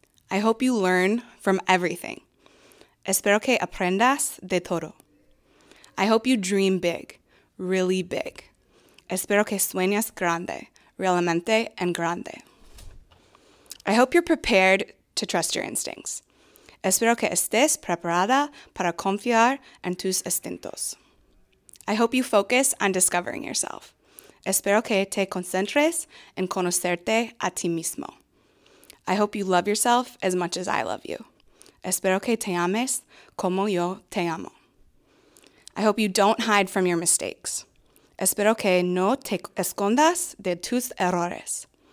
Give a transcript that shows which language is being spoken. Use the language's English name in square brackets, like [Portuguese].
[English] I hope you learn from everything. [Spanish] Espero que aprendas de todo. [English] I hope you dream big, really big. [Spanish] Espero que sueñas grande, realmente en grande. [English] I hope you're prepared to trust your instincts. [Spanish] Espero que estés preparada para confiar en tus instintos. [English] I hope you focus on discovering yourself. [Spanish] Espero que te concentres en conocerte a ti mismo. [English] I hope you love yourself as much as I love you. [Spanish] Espero que te ames como yo te amo. [English] I hope you don't hide from your mistakes. [Spanish] Espero que no te escondas de tus errores.